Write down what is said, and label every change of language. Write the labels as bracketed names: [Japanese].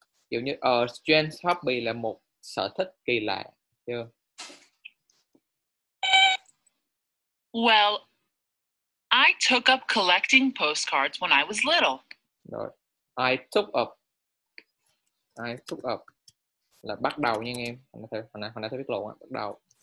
[Vietnamese] Kiểu như [English] strange hobby [Vietnamese] là một sở thích kỳ lạ, chưa? [English] Well, I took up collecting postcards when I was little. [Vietnamese] Rồi. [English] I took up [Vietnamese] là bắt đầu nha em. Hồi nãy thấy biết lộn á, bắt đầu.